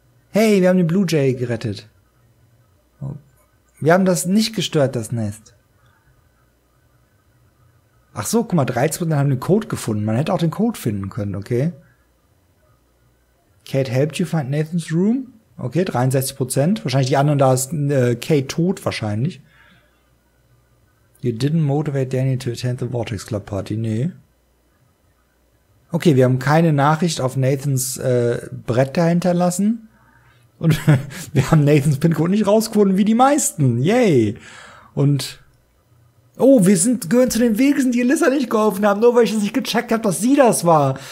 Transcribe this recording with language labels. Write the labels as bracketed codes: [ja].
[de] Hey, wir haben den Blue Jay gerettet. Wir haben das nicht gestört, das Nest. Ach so, guck mal, 13% haben den Code gefunden. Man hätte auch den Code finden können, okay. [en] Kate helped you find Nathan's room? Okay, 63%. [de] Wahrscheinlich die anderen, da ist Kate tot wahrscheinlich. [en] You didn't motivate Daniel to attend the Vortex Club Party, nee. [de] Okay, wir haben keine Nachricht auf Nathans Brett dahinter lassen. Und wir haben Nathans PIN-Code nicht rausgefunden wie die meisten. Yay. Und oh, wir sind gehören zu den Wesen, die Elissa nicht geholfen haben, nur weil ich es nicht gecheckt habe, dass sie das war.